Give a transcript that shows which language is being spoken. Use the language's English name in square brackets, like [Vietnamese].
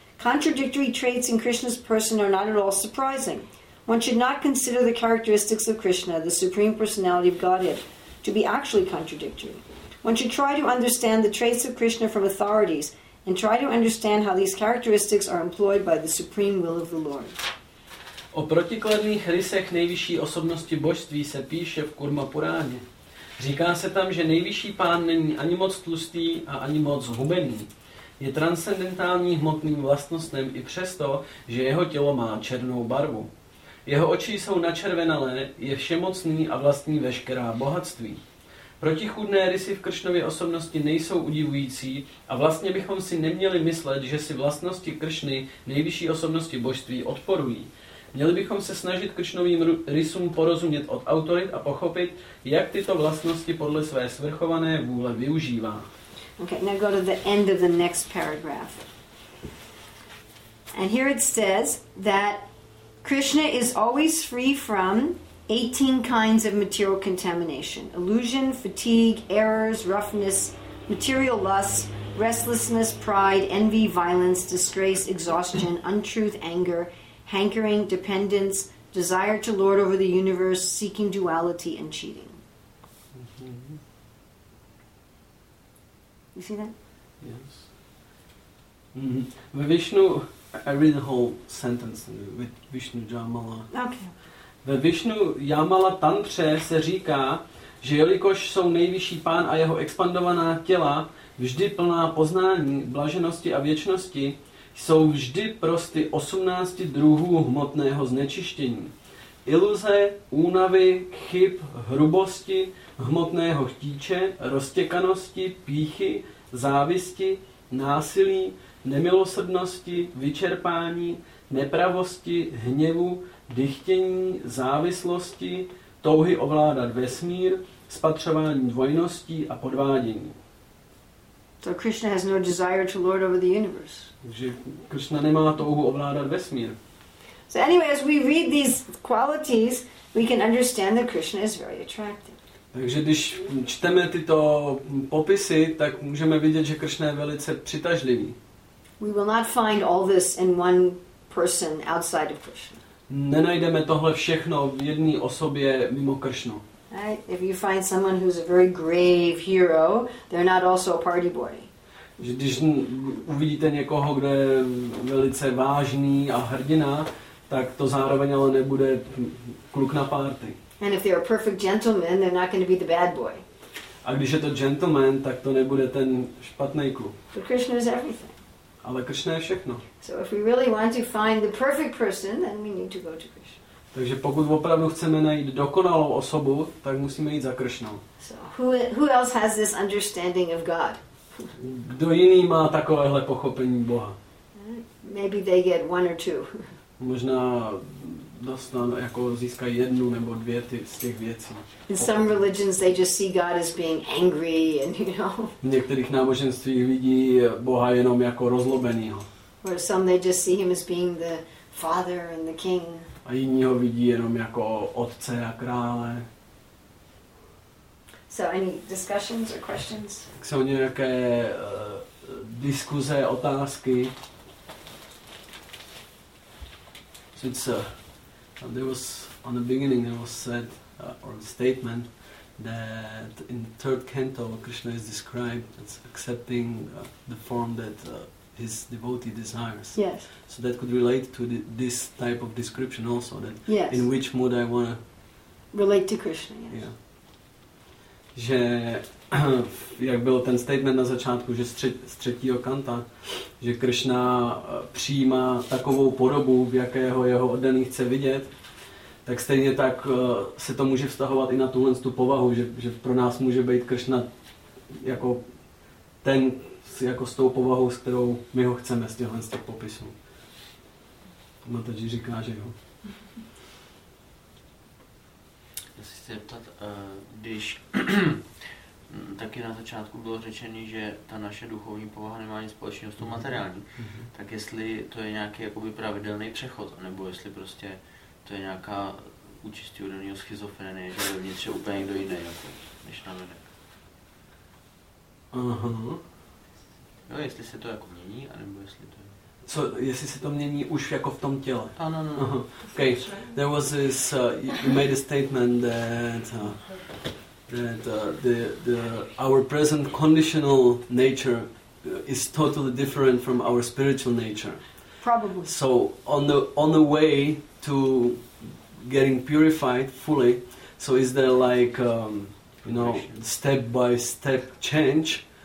[English] Contradictory traits in Krishna's person are not at all surprising. One should not consider the characteristics of Krishna, the Supreme Personality of Godhead, to be actually contradictory. One should try to understand the traits of Krishna from authorities and try to understand how these characteristics are employed by the supreme will of the Lord. [Czech] O protikladných rysech nejvyšší osobnosti božství se píše v Kurma Puráně. Říká se tam, že nejvyšší pán není ani moc tlustý a ani moc zhubený. je transcendentální hmotným vlastnostem i přesto, že jeho tělo má černou barvu. Jeho oči jsou načervenalé, je všemocný a vlastní veškerá bohatství. Protichůdné rysy v Kršnově osobnosti nejsou udivující a vlastně bychom si neměli myslet, že si vlastnosti Kršny nejvyšší osobnosti božství odporují. Měli bychom se snažit Kršnovým rysům porozumět od autorit a pochopit, jak tyto vlastnosti podle své svrchované vůle využívá. [English] Okay, now go to the end of the next paragraph. And here it says that Krishna is always free from 18 kinds of material contamination: illusion, fatigue, errors, roughness, material lust, restlessness, pride, envy, violence, disgrace, exhaustion, untruth, anger, hankering, dependence, desire to lord over the universe, seeking duality, and cheating. Mm-hmm. You see that? Yes. Mm-hmm. Vishnu, I read the whole sentence with Vishnu Jamala. Okay. [Czech] Ve Vishnu Yamala Tantře se říká, že jelikož jsou nejvyšší pán a jeho expandovaná těla vždy plná poznání, blaženosti a věčnosti, jsou vždy prosty 18 druhů hmotného znečištění. Iluze, únavy, chyb, hrubosti, hmotného chtíče, roztěkanosti, pýchy, závisti, násilí, nemilosrdnosti, vyčerpání, nepravosti, hněvu, dychtění, závislosti, touhy ovládat vesmír, spatřování dvojností a podvádění. [English] So Krishna has no desire to lord over the universe. [Czech] Že Krishna nemá touhu ovládat vesmír. [English] So anyway, as we read these qualities, we can understand that Krishna is very attractive. [Czech] Takže když čteme tyto popisy, tak můžeme vidět, že Krishna je velice přitažlivý. [English] We will not find all this in one person outside of Krishna. [Czech] Nenajdeme tohle všechno v jedné osobě mimo Kršnu. [English] If you find someone who's a very grave hero, they're not also a party boy. [Czech] Když uvidíte někoho, kdo je velice vážný a hrdina, tak to zároveň ale nebude kluk na party. [English] And if they're a perfect gentleman, they're not going to be the bad boy. [Czech] A když je to gentleman, tak to nebude ten špatný kluk. [English] But Krishna is everything. [Czech] Ale Krishna je všechno. [English] So if we really want to find the perfect person, then we need to go to Krishna. [Czech] Takže pokud opravdu chceme najít dokonalou osobu, tak musíme jít za Krishnou. [English] So who else has this understanding of God? [Czech] Kdo jiný má takovéhle pochopení Boha? [English] Maybe they get one or two. [Czech] Možná dostanou jako získají jednu nebo dvě ty z těch věcí. [English] In some religions they just see God as being angry and you know. [Czech] V některých náboženstvích vidí Boha jenom jako rozlobenýho. [English] Or some they just see him as being the father and the king. [Czech] A jiní ho vidí jenom jako otce a krále. [English] So any discussions or questions? [Czech] Jsou nějaké diskuze, otázky? [English] Since there was on the beginning there was said or the statement that in the third canto Krishna is described as accepting the form that his devotee desires. Yes. So that could relate to this type of description also, that yes. In which mood I want to relate to Krishna. Yes. Yeah. [Czech] Že jak byl ten statement na začátku, že z třetího kanta, že Krishna přijímá takovou podobu, v jakého jeho oddaný chce vidět. Tak stejně tak se to může vztahovat i na tuhle tu povahu, že pro nás může být Kršna jako ten, jako s tou povahou, s kterou my ho chceme z těchhle z těch popisů. Mataji říká, že jo. Já si chci zeptat, když taky na začátku bylo řečeno, že ta naše duchovní povaha nemá nic společného s tou materiální, tak jestli to je nějaký jakoby pravidelný přechod, nebo jestli prostě to je nějaká účistí údelního schizofrenie, že je vnitř úplně někdo jiný, jako, než na venek. Aha. Jo, jestli se to jako mění, anebo jestli to je... Co, jestli se to mění už jako v tom těle? Ano, no. [English] Okay, there was this, you made a statement that our present conditional nature is totally different from our spiritual nature. Probably. So on the way to getting purified fully, so is there like step by step change,